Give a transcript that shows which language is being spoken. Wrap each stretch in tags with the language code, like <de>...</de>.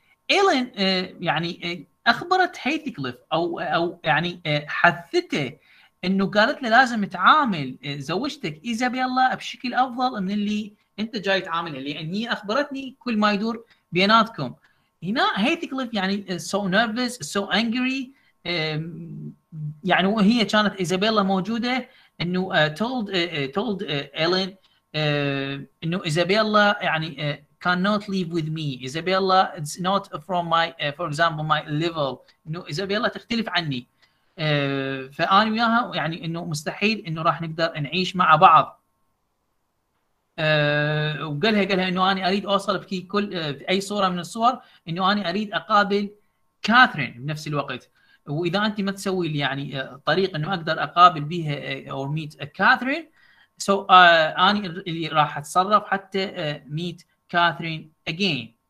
<ar>إيلين يعني أخبرت هيثكليف أو يعني حثته, إنه قالت له لازم تعامل زوجتك إيزابيلا بشكل أفضل من اللي أنت جاي تعاملها, لأني أخبرتني كل ما يدور بيناتكم. هنا هيثكليف يعني</ar> <en>so nervous, so angry,</en> <ar>يعني وهي كانت إيزابيلا موجودة, إنه</ar> <en>told</en> <ar>إيلين إنه إيزابيلا يعني</ar> <en>cannot live with me. Isabella, it's not from my, for example, my level. No,</en> <ar>Isabella تختلف عني. فأنا وياها يعني إنه مستحيل إنه راح نقدر نعيش مع بعض. وقالها إنه أنا أريد أوصل في كل في أي صورة من الصور إنه أنا أريد أقابل كاثرين بنفس الوقت. وإذا أنت ما تسوي لي يعني طريق إنه أقدر أقابل بها</ar> <en>or meet</en> <ar>كاثرين,</ar> <en>so</en> <ar>أنا اللي راح أتصرف حتى</ar> <en>meet Catherine again.</en>